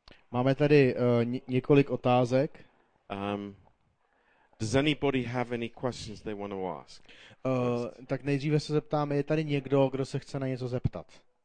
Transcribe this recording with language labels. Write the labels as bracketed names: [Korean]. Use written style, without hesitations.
[Czech] Máme tady několik otázek. [English] Does anybody have any questions they want to ask? [Czech] Tak nejdříve se zeptáme, je tady někdo, kdo se chce na něco zeptat?